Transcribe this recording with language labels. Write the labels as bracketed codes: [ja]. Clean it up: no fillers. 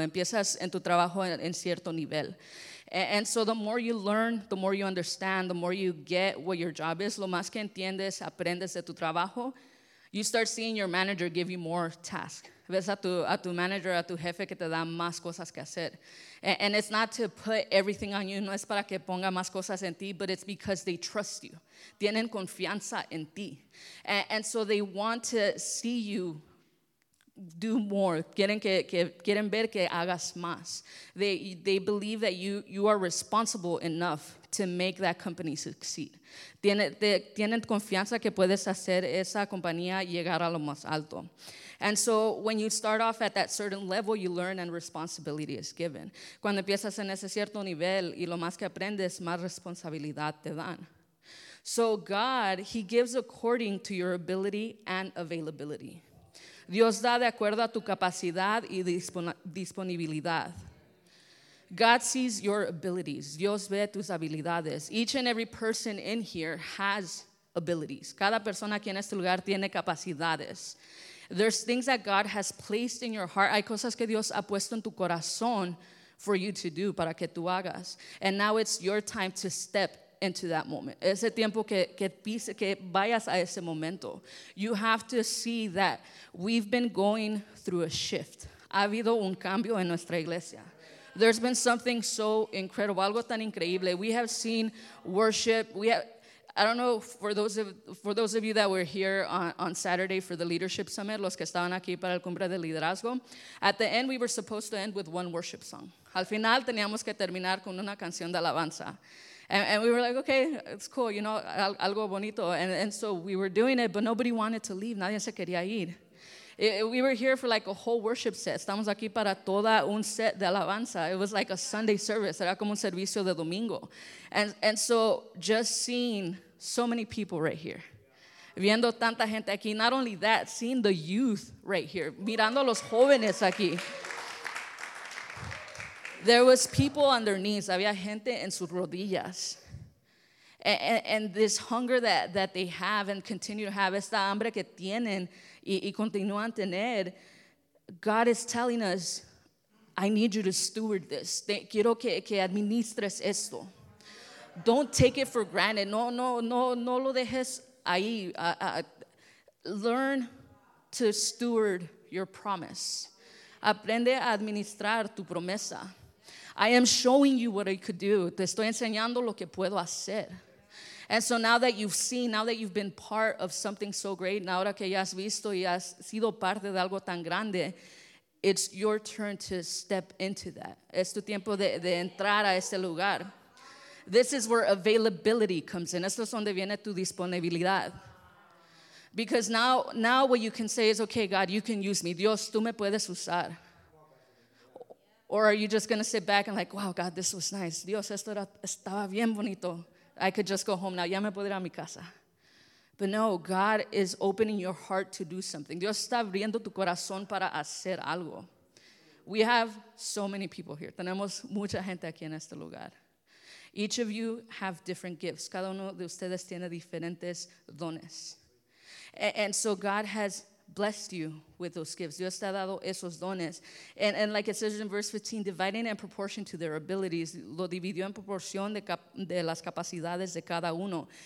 [es] Empiezas en tu trabajo en cierto nivel. [en] And so the more you learn, the more you understand, the more you get what your job is, [es] lo más que entiendes, aprendes de tu trabajo, [en] you start seeing your manager give you more tasks. [es] Ves a tu manager, a tu jefe que te da más cosas que hacer. [en] And it's not to put everything on you, [es] no es para que ponga más cosas en ti, [en] but it's because they trust you. [es] Tienen confianza en ti. [en] And so they want to see you do more. [es] Quieren ver que hagas más. [en] They believe that you are responsible enough to make that company succeed. [es] Tienen confianza que puedes hacer esa compañía llegar a lo más alto. [en] And so when you start off at that certain level, you learn and responsibility is given. [es] Cuando empiezas en ese cierto nivel y lo más que aprendes, más responsabilidad te dan. [en] So God, he gives according to your ability and availability. [es] Dios da de acuerdo a tu capacidad y disponibilidad. [en] God sees your abilities. [es] Dios ve tus habilidades. [en] Each and every person in here has abilities. [es] Cada persona aquí en este lugar tiene capacidades. [en] There's things that God has placed in your heart. [es] Hay cosas que Dios ha puesto en tu corazón [en] for you to do, [es] para que tú hagas. [en] And now it's your time to step into that moment. [es] Ese tiempo que vayas a ese momento. [en] You have to see that we've been going through a shift. [es] Ha habido un cambio en nuestra iglesia. [en] There's been something so incredible. [es] Algo tan increíble. [en] We have seen worship. We have, I don't know, for those of you that were here on Saturday for the Leadership Summit, [es] los que estaban aquí para el cumbre de liderazgo, [en] at the end we were supposed to end with one worship song. [es] Al final teníamos que terminar con una canción de alabanza. [en] And we were like, okay, it's cool, you know, [es] algo bonito. [en] And so we were doing it, but nobody wanted to leave. [es] Nadie se quería ir. [en] We were here for like a whole worship set. [es] Estamos aquí para toda un set de alabanza. [en] It was like a Sunday service. [es] Era como un servicio de domingo. [en] And so just seeing so many people right here. [es] Viendo tanta gente aquí. [en] Not only that, seeing the youth right here. [es] Mirando a los jóvenes aquí. [en] There was people on their knees. [es] Había gente en sus rodillas. [en] And this hunger that they have and continue to have, [es] esta hambre que tienen y continúan tener, [en] God is telling us, I need you to steward this. [es] Quiero que administres esto. [en] Don't take it for granted. [es] No lo dejes ahí. [en] Learn to steward your promise. [es] Aprende a administrar tu promesa. [en] I am showing you what I could do. [es] Te estoy enseñando lo que puedo hacer. [en] And so now that you've seen, now that you've been part of something so great, now [es] ahora que ya has visto y has sido parte de algo tan grande, [en] it's your turn to step into that. [es] Es tu tiempo de entrar a ese lugar. [en] This is where availability comes in. [es] Esto es donde viene tu disponibilidad. [en] Because now what you can say is, okay, God, you can use me. [es] Dios, tú me puedes usar. [en] Or are you just going to sit back and like, wow, God, this was nice. [es] Dios, esto estaba bien bonito. [en] I could just go home now. [es] Ya me puedo ir a mi casa. [en] But no, God is opening your heart to do something. [es] Dios está abriendo tu corazón para hacer algo. [en] We have so many people here. [es] Tenemos mucha gente aquí en este lugar. [en] Each of you have different gifts. [es] Cada uno de ustedes tiene diferentes dones. [en] And so God has blessed you with those gifts. [es] Dios te ha dado esos dones. [en] And like it says in verse 15, dividing in proportion to their abilities. [es] Lo dividió en proporción de las capacidades de cada uno.